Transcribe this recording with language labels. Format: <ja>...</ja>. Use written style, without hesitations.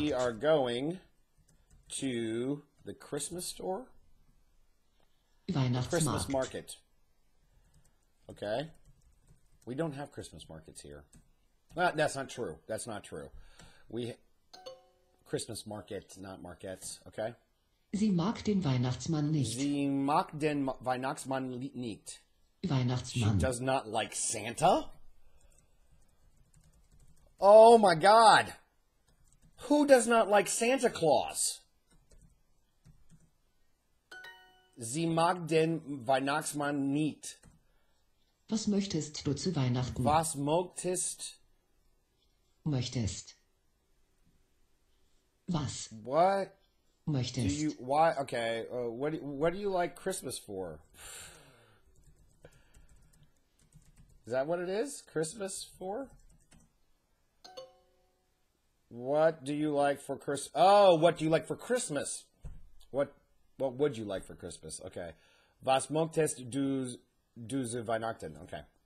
<en>We are going to the Christmas store?</en> <de>Weihnachtsmarkt.</de> <en>The Christmas market. Okay. We don't have Christmas markets here. Well, that's not true. That's not true. Christmas market, not markets. Okay.</en> <de>Sie mag den Weihnachtsmann nicht. Sie mag den Weihnachtsmann nicht. Weihnachtsmann.</de> <en>She does not like Santa? Oh my God. Who does not like Santa Claus?</en> <de>Sie mag den Weihnachtsmann nicht. Was möchtest du zu Weihnachten? Was möchtest? Möchtest. Was?</de> <en>What?</en> <de>Möchtest.</de> <en>Do you, why, okay, what do you like Christmas for? Is that what it is? Christmas for? What do you like for Christmas? Oh, what do you like for Christmas? What would you like for Christmas? Okay.</en> <de>Was möchtest du zu Weihnachten? Okay.</de>